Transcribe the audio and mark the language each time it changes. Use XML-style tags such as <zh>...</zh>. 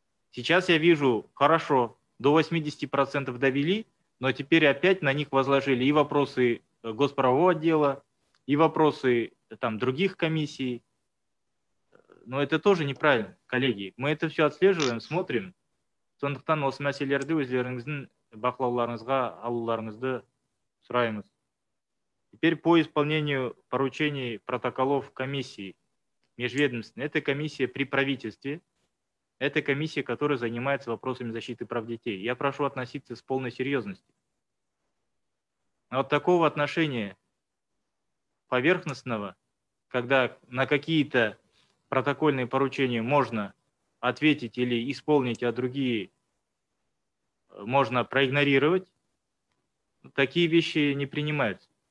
<ru>Сейчас я вижу, хорошо, до 80% довели, но теперь опять на них возложили и вопросы госправового отдела, и вопросы там, других комиссий. Но это тоже неправильно, коллеги. Мы это все отслеживаем, смотрим.</ru> <kk>Сондықтан осы мәселерді өздеріңіздің бақылауларыңызға алуларыңызды сұраймыз.</kk> <ru>Теперь по исполнению поручений протоколов комиссии межведомственной. Это комиссия при правительстве. Это комиссия, которая занимается вопросами защиты прав детей. Я прошу относиться с полной серьезностью. Вот такого отношения поверхностного, когда на какие-то протокольные поручения можно ответить или исполнить, а другие можно проигнорировать, такие вещи не принимаются.</ru>